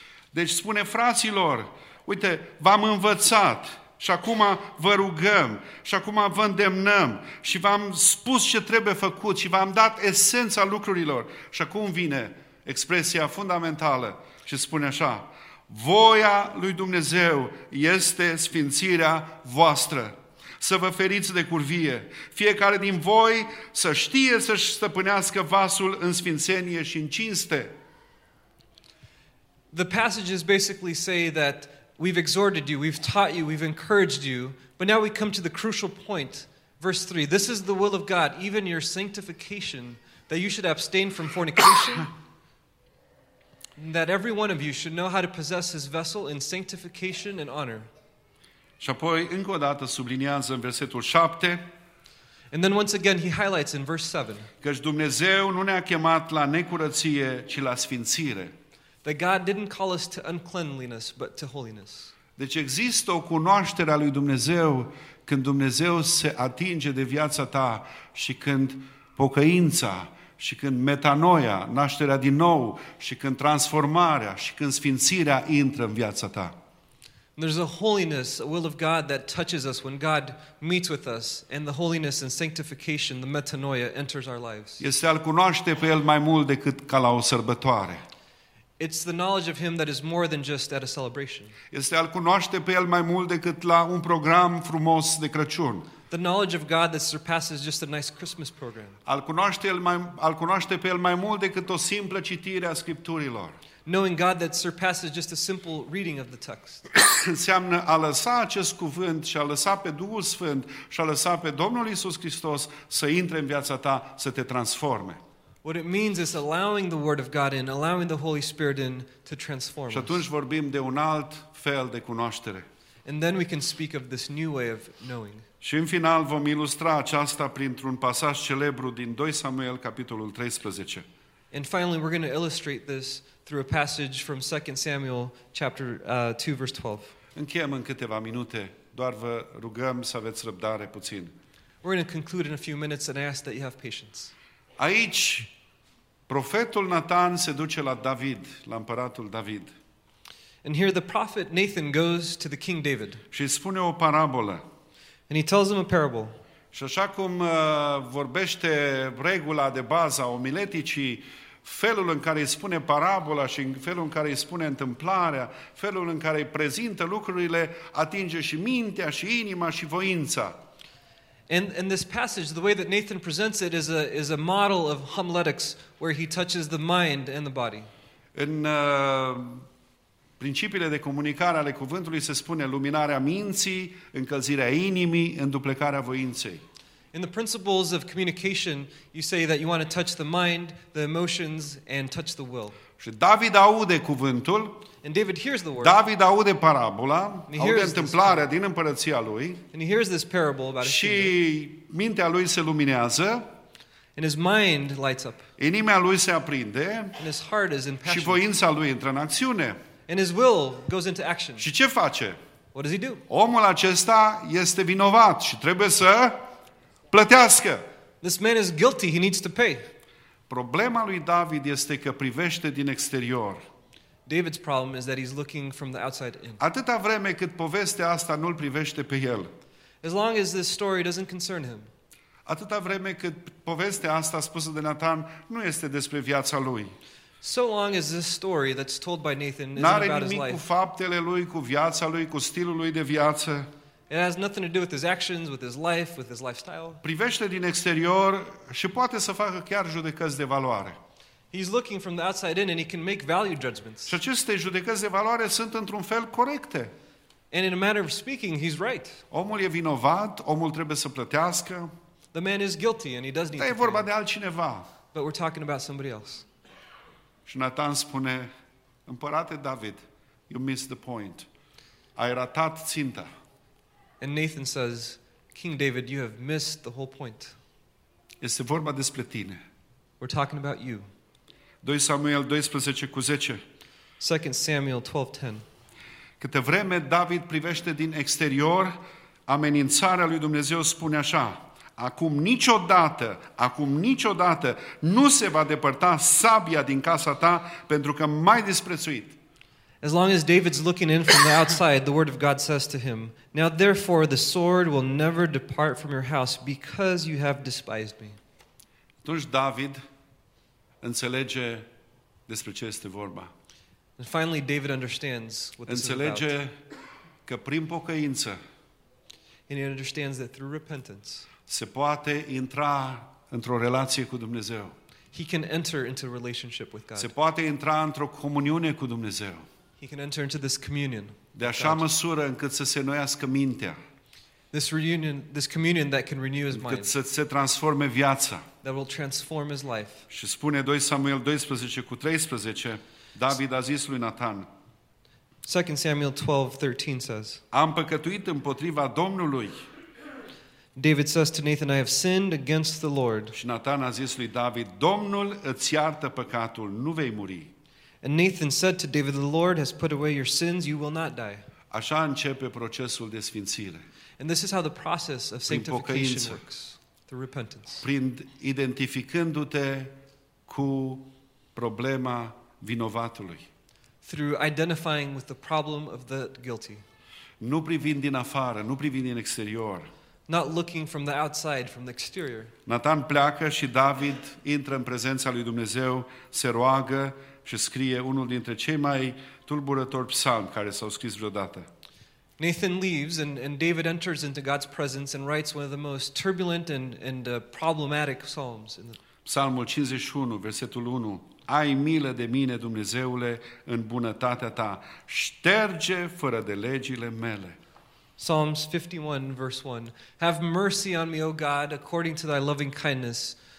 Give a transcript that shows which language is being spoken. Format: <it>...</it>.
<ro>Deci spune, fraților, uite, v-am învățat și acum vă rugăm și acum vă îndemnăm și v-am spus ce trebuie făcut și v-am dat esența lucrurilor. Și acum vine expresia fundamentală și spune așa, voia lui Dumnezeu este sfințirea voastră. Să vă feriți de curvie. Fiecare din voi să știe să-și stăpânească vasul în sfințenie și în cinste.</ro> <en>The passages basically say that we've exhorted you, we've taught you, we've encouraged you, but now we come to the crucial point, verse 3. This is the will of God, even your sanctification, that you should abstain from fornication, and that every one of you should know how to possess his vessel in sanctification and honor.</en> <ro>Și apoi încă o dată subliniază în versetul 7.</ro> <en>And then once again he highlights in verse 7.</en> <ro>Căci Dumnezeu nu ne-a chemat la necurăție, ci la sfințire.</ro> <en>That God didn't call us to uncleanliness, but to holiness.</en> <ro>Deci există o cunoaștere a lui Dumnezeu când Dumnezeu se atinge de viața ta și când pocăința și când metanoia, nașterea din nou, și când transformarea și când sfințirea intră în viața ta.</ro> <en>There's a holiness, a will of God that touches us when God meets with us, and the holiness and sanctification, the metanoia, enters our lives.</en> <ro>Este a-L cunoaște pe El mai mult decât ca la o sărbătoare.</ro> <en>It's the knowledge of Him that is more than just at a celebration.</en> <ro>Este a-L cunoaște pe El mai mult decât la un program frumos de Crăciun.</ro> <en>The knowledge of God that surpasses just a nice Christmas program.</en> <ro>A-L cunoaște pe El mai mult decât o simplă citire a Scripturilor.</ro> <en>Knowing God that surpasses just a simple reading of the text.</en> <ro>Înseamnă a lăsa acest cuvânt și a lăsa pe Duhul Sfânt și a lăsa pe Domnul Iisus Hristos să intre în viața ta, să te transforme.</ro> <en>What it means is allowing the Word of God in, allowing the Holy Spirit in to transform us.</en> <ro>Și atunci vorbim de un alt fel de cunoaștere.</ro> <en>And then we can speak of this new way of knowing.</en> <ro>Și în final vom ilustra aceasta printr-un pasaj celebru din 2 Samuel, capitolul 13.</ro> <en>And finally, we're going to illustrate this through a passage from 2 Samuel chapter 2, verse 12.</en> <ro>Încheiem în câteva minute. Doar vă rugăm să aveți răbdare puțin.</ro> <en>We're going to conclude in a few minutes and I ask that you have patience.</en> <ro>Aici, profetul Nathan se duce la David, la împăratul David.</ro> <en>And here the prophet Nathan goes to the king David.</en> <ro>Și spune o parabolă.</ro> <en>And he tells him a parable.</en> <ro>Și așa cum vorbește regula de bază a omileticii, felul în care îi spune parabola și felul în care îi spune întâmplarea, felul în care îi prezintă lucrurile, atinge și mintea și inima și voința.</ro> <en>In this passage, the way that Nathan presents it is a model of homiletics where he touches the mind and the body.</en> <ro>În principiile de comunicare ale cuvântului se spune luminarea minții, încălzirea inimii, înduplecarea voinței.</ro> <en>In the principles of communication, you say that you want to touch the mind, the emotions, and touch the will.</en> <ro>Și David aude cuvântul.</ro> <en>And David hears the word.</en> <ro>David aude parabola, aude întâmplarea din împărăția lui.</ro> <en>And he hears this parable about his kingdom.</en> <ro>Și mintea lui se luminează.</ro> <en>And his mind lights up.</en> <ro>Inima lui se aprinde.</ro> <en>And his heart is impassioned.</en> <ro>Și voința lui intră în acțiune.</ro> <en>And his will goes into action.</en> <ro>Și ce face?</ro> <en>What does he do?</en> <ro>Omul acesta este vinovat și trebuie să plătească.</ro> <en>This man is guilty, he needs to pay.</en> <ro>Problema lui David este că privește din exterior.</ro> <en>David's problem is that he's looking from the outside in.</en> <ro>Atâta vreme cât povestea asta nu-l privește pe el.</ro> <en>As long as this story doesn't concern him.</en> <ro>Atâta vreme cât povestea asta spusă de Nathan nu este despre viața lui.</ro> <en>So long as this story that's told by Nathan isn't about his</en> <ro>life. N-are nimic cu faptele lui, cu viața lui, cu stilul lui de viață.</ro> <en>It has nothing to do with his actions, with his life, with his lifestyle.</en> <ro>Privește din exterior și poate să facă chiar judecăți de valoare.</ro> <en>He's looking from the outside in and he can make value judgments.</en> <ro>Și aceste judecăți de valoare sunt într-un fel corecte.</ro> <en>And in a matter of speaking, he's right.</en> <ro>Omul e vinovat, omul trebuie să plătească.</ro> <en>The man is guilty and he does need to pay.</en> <ro>Dar e vorba de altcineva.</ro> <en>But we're talking about somebody else.</en> <ro>Și Nathan spune, împărate David,</ro> <en>you missed the point.</en> <ro>Ai ratat ținta.</ro> <en>And Nathan says, King David, you have missed the whole point.</en> <ro>Este vorba despre tine.</ro> <en>We're talking about you.</en> <ro>2 Samuel 12 cu 10.</ro> <en>2 Samuel 12, 10.</en> <ro>Câte vreme David privește din exterior, amenințarea lui Dumnezeu spune așa, acum niciodată nu se va depărta sabia din casa ta pentru că m-ai disprețuit.</ro> <en>As long as David's looking in from the outside, the word of God says to him, now therefore the sword will never depart from your house because you have despised me.</en> <ro>Atunci David înțelege despre ce este vorba.</ro> <en>And finally David understands what this is about.</en> <ro>Înțelege că prin pocăință,</ro> <en>and he understands that through repentance,</en> <ro>se poate intra într-o relație cu Dumnezeu.</ro> <en>He can enter into a relationship with God.</en> <ro>Se poate intra într-o comuniune cu Dumnezeu.</ro> <en>He can enter into this communion.</en> <ro>De așa măsură încât să se noiască mintea.</ro> <en>This reunion, this communion that can renew his mind.</en> <ro>Încât să se transforme viața.</ro> <en>That will transform his life.</en> <ro>Și spune 2 Samuel 12 cu 13, David a zis lui Nathan.</ro> <en>2 Samuel 12, 13 says.</en> <ro>Am păcătuit împotriva Domnului.</ro> <en>David says to Nathan, I have sinned against the Lord.</en> <ro>Și Nathan a zis lui David, Domnul îți iartă păcatul, nu vei muri.</ro> <en>And Nathan said to David, the Lord has put away your sins, you will not die.</en> <ro>Așa începe procesul de sfințire.</ro> <en>And this is how the process of sanctification works. Through repentance.</en> <ro>Prin identificându-te cu problema vinovatului.</ro> <en>Through identifying with the problem of the guilty.</en> <ro>Nu privind din afară, nu privind din exterior.</ro> <en>Not looking from the outside, from the exterior.</en> <ro>Nathan pleacă și David intră în prezența lui Dumnezeu, se roagă și scrie unul dintre cei mai tulburători psalmi care s-au scris vreodată.</ro> <en>Nathan leaves and David enters into God's presence and writes one of the most turbulent and problematic psalms.</en> <ro>Psalmul 51, versetul 1. Ai milă de mine, Dumnezeule, în bunătatea ta. Șterge fără de legile mele.</ro> <en>Psalms 51, verse 1. Have mercy on me, O God, according to thy loving kindness.</en>